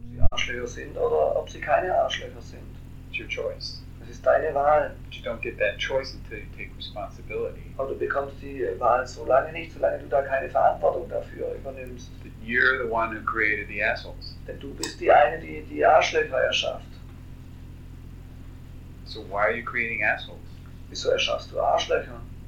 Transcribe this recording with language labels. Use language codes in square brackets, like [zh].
[de] Arschlöcher sind oder ob sie keine Arschlöcher sind. [en] It's your choice. [de] Das ist deine Wahl. [en] But you don't get that choice until you take responsibility. [de] Aber du bekommst die Wahl so lange nicht, solange du da keine Verantwortung dafür übernimmst. [en] But you're the one who created the assholes. [de] Denn du bist die eine, die die Arschlöcher erschafft. [en] So why are you creating assholes? [de] Wieso erschaffst du Arschlöcher?